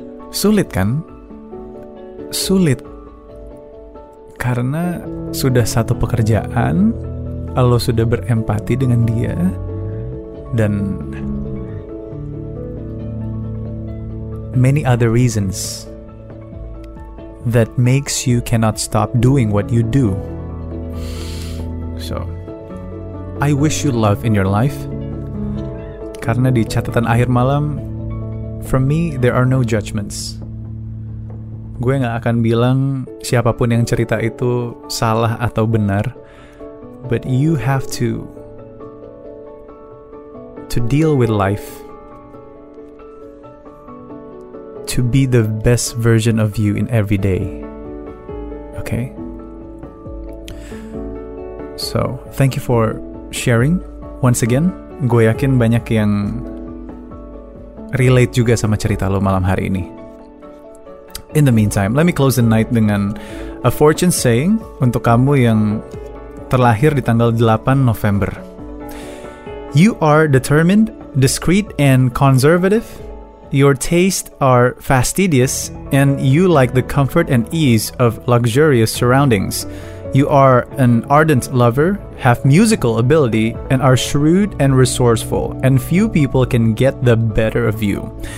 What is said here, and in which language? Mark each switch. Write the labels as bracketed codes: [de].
[id] Sulit kan? Sulit. Karena sudah satu pekerjaan, lo sudah berempati dengan dia, [en] dan many other reasons that makes you cannot stop doing what you do. So, I wish you love in your life. [id] Karena di catatan akhir malam, [en] for me, there are no judgments. [id] Gue gak akan bilang siapapun yang cerita itu salah atau benar. [en] But you have to deal with life, to be the best version of you in every day. Okay? So, thank you for sharing once again. [id] Gue yakin banyak yang relate juga sama cerita lo malam hari ini. [en] In the meantime, let me close the night [id] dengan [en] a fortune saying [id] untuk kamu yang terlahir di tanggal 8 November. [en] You are determined, discreet, and conservative. Your tastes are fastidious, and you like the comfort and ease of luxurious surroundings. You are an ardent lover, have musical ability, and are shrewd and resourceful, and few people can get the better of you.